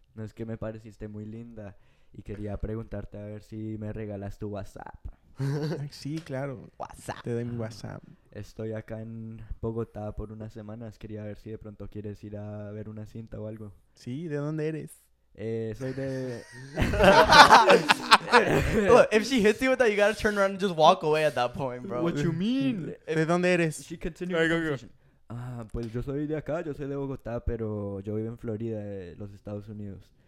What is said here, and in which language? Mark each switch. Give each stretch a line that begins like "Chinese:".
Spanish: No es que me pareciste muy linda y quería preguntarte a ver si me regalas tu WhatsApp. Sí, claro. WhatsApp. Te doy mi WhatsApp. Estoy acá en Bogotá por unas semanas. Quería ver si de pronto quieres ir a ver una cinta o algo. Sí, ¿de dónde eres? Soy de...
English: Look, if she hits you with that, you gotta turn around and just walk away at that point, bro. What you mean?
Spanish: ¿De dónde eres?
English: She continued. All right, go.
Spanish: Pues yo soy de acá, yo soy de Bogotá, pero yo vivo en Florida, los Estados Unidos.